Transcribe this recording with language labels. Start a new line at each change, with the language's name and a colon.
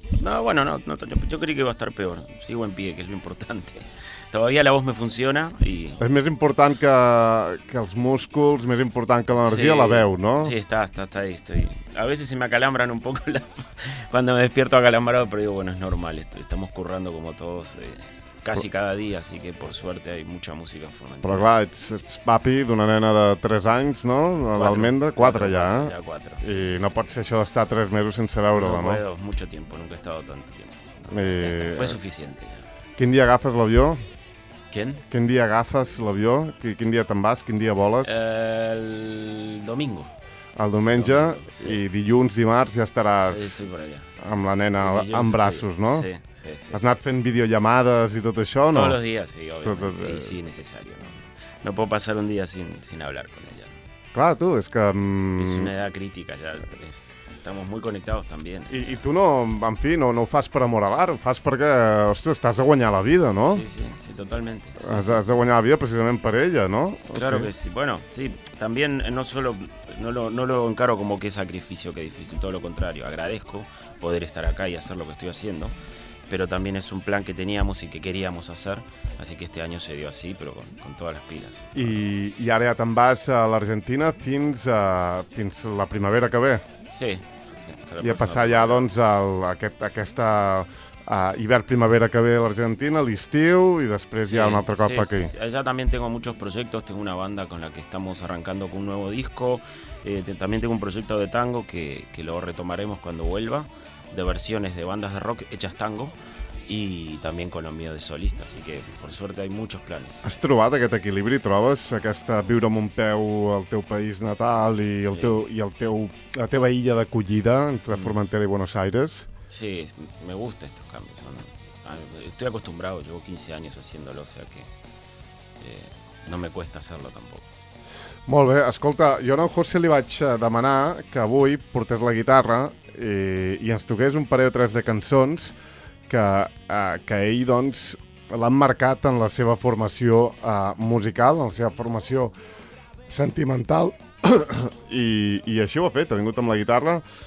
Spanish: No, bueno, no, yo creí que iba a estar peor. Sigo en pie, que es lo importante. Todavía la voz me funciona y...
Catalan: És més important que els músculs, més important que l'energia, sí, la veu, no?
Spanish: Sí, está ahí, estoy. A veces se me acalambran un poco la... cuando me despierto acalambrado, pero digo, bueno, es normal, estamos currando como todos... Casi cada dia, así que por suerte hay mucha música en Formentera.
Catalan: Però clar, ets papi d'una nena de 3 anys, no? L'Almendra, 4 ja. Ja 4. I no pot ser això d'estar 3 mesos sense veure-la, no?
Spanish: No puedo, mucho tiempo, nunca he estado tanto tiempo. No, fue suficiente.
Catalan: Quin dia agafes l'avió?
Spanish: ¿Quién?
Catalan: Quin dia agafes l'avió? Quin dia te'n vas? Quin dia voles?
Spanish: El domingo.
Catalan: El diumenge, sí. I dilluns, dimarts ja estaràs amb la nena en braços, no? Sí. Has anat fent videollamades i tot això, no?
Spanish: Todos los días, sí, obviamente. Y sí, necesario. No puedo pasar un día sin hablar con ella.
Catalan: Clar, tu, és que...
Spanish: Es una edad crítica, ya. Estamos muy conectados también.
Catalan: I tu no, en fi, no ho fas per amor a l'art, ho fas perquè, ostres, estàs a guanyar la vida, no?
Spanish: Sí, totalmente. Sí.
Catalan: Has de guanyar la vida precisament per ella, no?
Spanish: Claro, sí. Que sí. Bueno, sí, también no solo... No lo encaro como que sacrificio, que difícil, todo lo contrario. Agradezco poder estar acá y hacer lo que estoy haciendo. Pero también es un plan que teníamos y que queríamos hacer. Así que este año se dio así, pero con todas las pilas.
Catalan: I ara ja te'n vas a l'Argentina fins la primavera que ve? Sí. I a passar ja, doncs, aquesta hivern-primavera que ve a l'Argentina, l'estiu, i després sí, ja un altre cop sí, aquí. Sí.
Spanish: Allá también tengo muchos proyectos. Tengo una banda con la que estamos arrancando con un nuevo disco. También tengo un proyecto de tango que lo retomaremos cuando vuelva. De versiones de bandas de rock hechas tango y también con lo mío de solista, así que por suerte hay muchos planes.
Catalan: Has trobat aquest equilibri, trobes aquesta viure amb un peu al teu país natal i el sí. teu i el teu la teva illa d'acollida entre Formentera i Buenos Aires?
Spanish: Sí, me gusta estos cambios. Son... Estoy acostumbrado, llevo 15 años haciéndolo, o sea que no me cuesta hacerlo tampoco.
Catalan: Molt bé, escolta, jo a en José li vaig demanar que avui portés la guitarra i ens toqués un parell o tres de cançons que ell doncs, l'han marcat en la seva formació musical, en la seva formació sentimental, i així ho ha fet, ha vingut amb la guitarra.